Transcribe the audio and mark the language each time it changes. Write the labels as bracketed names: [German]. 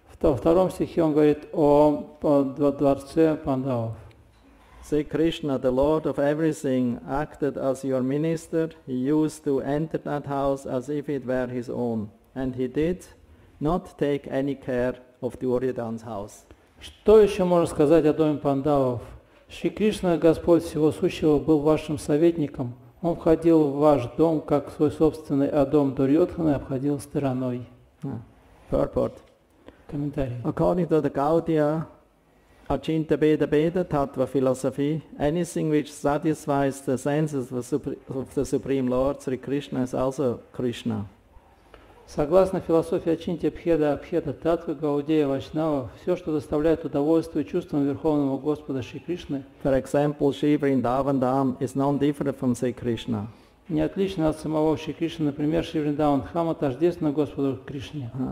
[Russian] Во втором стихе он говорит о дворце Пандавов. [English] Say Krishna, the Lord of everything, acted as your minister. He used to enter that house as if it were his own. And he did not take any care of Duryodhana's house. [Russian] Что еще можно сказать о доме Пандавов? Шри Кришна, Господь всего сущего, был вашим советником. Он входил в ваш дом, как свой собственный, а дом Дурьотхана обходил стороной. [English] Purport. Commentary. According to the Gaudiya Achintabheda Bheda Tattva philosophy, anything which satisfies the senses of the Supreme Lord, Sri Krishna, is also Krishna. [Russian] Согласно философии Ачинтабхеда Абхеда Таттва Гаудея Вайшнава, все, что доставляет удовольствие чувствам Верховного Господа Шри Кришны, [English] for example, Shri Vrindavan Dham is non-different from Sri Krishna. [Russian] Не отлично от самого Шри Кришны, например, Шри Вриндаван Дхама тождественно Господу Кришне.